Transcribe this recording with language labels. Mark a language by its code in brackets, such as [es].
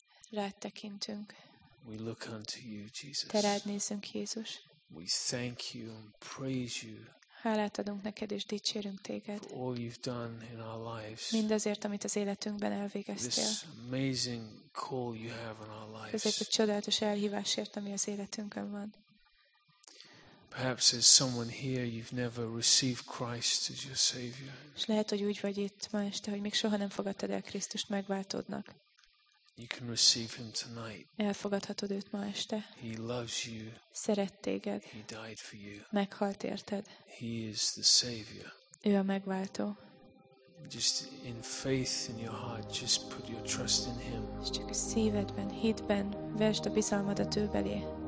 [hu] Rád tekintünk. [en] We look unto you, Jesus. [hu] Te rád nézünk, Jézus. [en] We thank you and praise you. [hu] Hálát adunk neked és dicsérünk téged. [en] For all you've done in our lives. [hu] Mindazért, amit az életünkben elvégeztél. [en] This amazing call you have in our lives. [hu] Ezért a csodálatos elhívásért, ami az életünkön van. [en] Perhaps there's someone here you've never received Christ as your savior. [hu] És lehet, hogy úgy vagy itt ma este, hogy még soha nem fogadtad el Krisztust megváltódnak. [en] You can receive him tonight. [hu] Elfogadhatod őt ma este. [en] He loves you. [hu] Szeret téged. [en] He died for you. [hu] Meghalt érted. [en] He is the savior. [hu] Ő a megváltó. [en] Just in faith in your heart, just put your trust in him. [hu] Csak a szívedben, hitben vesd a bizalmadat ő belé.